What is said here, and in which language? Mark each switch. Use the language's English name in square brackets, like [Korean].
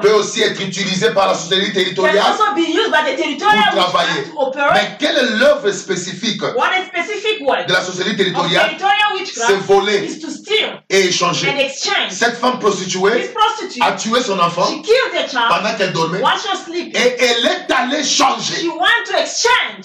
[French] Peut aussi être utilisé par la sorcellerie territoriale. [English] Can also be used by the territorial witchcraft to operate. [French] Mais quelle est l'œuvre spécifique? [English] What a specific work. [French] De la sorcellerie territoriale. [English] Of territorial witchcraft. [French] C'est voler voler, [English] is to steal, [French] et échanger. [English] And exchange. [French] Cette femme prostituée, [English] this prostitute, [French] a tué son enfant, [English] she killed the child, [French] pendant qu'elle dormait, [English] while she was sleeping, [French] et elle est allée changer. [English] She went to exchange.